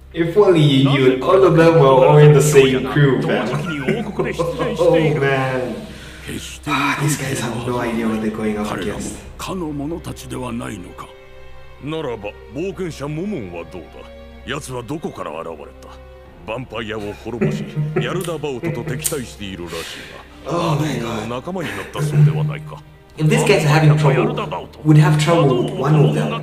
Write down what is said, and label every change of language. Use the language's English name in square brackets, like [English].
[English] If only you and all of them were all in the same crew, man. Oh, man. These guys have no idea what they're going up against. [Japanese] かの者たちではないのか。ならば、冒険者モモンはどうだ。奴はどこから現れた? ヴァンパイアを滅ぼし、ヤルダバオトと敵対しているらしいが、魔導王の仲間になったそうではないか。 [English] If these guys are having trouble, would have trouble with one of them.